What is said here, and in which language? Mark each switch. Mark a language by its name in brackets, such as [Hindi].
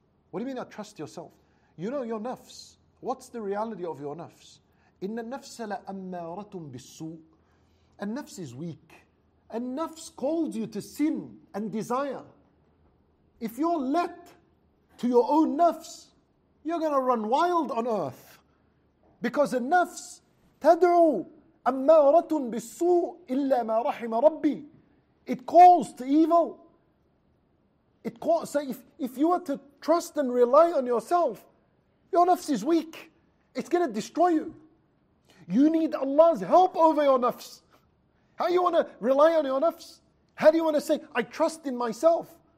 [English] What do you mean I trust yourself? You know your nafs. What's the reality of your nafs? [Arabic] إِنَّ النَّفْسَ لَأَمَّارَةٌ بِالسُّوءِ. [English] A nafs is weak. A nafs calls you to sin and desire. If you're let to your own nafs, you're going to run wild on earth. Because the nafs, [Arabic] تَدْعُوا أَمَّارَةٌ بِالسُّوءِ إِلَّا مَا رَحِمَ رَبِّي. [English] It calls to evil. It calls, so if you were to trust and rely on yourself, your nafs is weak. It's going to destroy you. You need Allah's help over your nafs. How do you want to rely on your nafs? How do you want to say, I trust in myself?